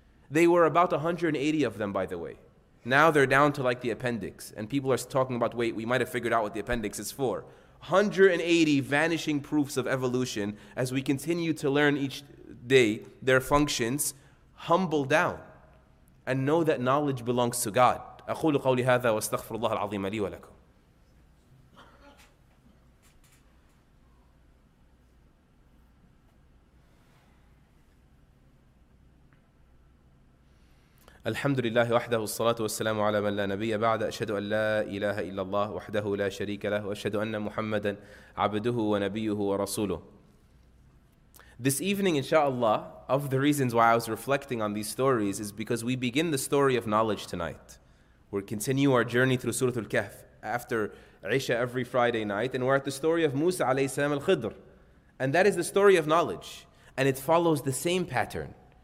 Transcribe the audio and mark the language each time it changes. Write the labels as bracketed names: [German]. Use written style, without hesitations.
[English] They were about 180 of them, by the way. Now they're down to like the appendix. And people are talking about, wait, we might have figured out what the appendix is for. 180 vanishing proofs of evolution as we continue to learn each day their functions. Humble down and know that knowledge belongs to God. [Arabic] أقول قولي هذا واستغفر الله العظيم لي ولكم. الحمد لله وحده والصلاة والسلام على من لا نبي بعد أشهد أن لا إله إلا الله وحده لا شريك له وأشهد أن محمدا عبده ونبيه ورسوله. [English] This evening, inshallah, of the reasons why I was reflecting on these stories is because we begin the story of knowledge tonight. We'll continue our journey through Surah Al-Kahf after Isha every Friday night, and we're at the story of Musa alayhi salam al-Khidr, and that is the story of knowledge, and it follows the same pattern.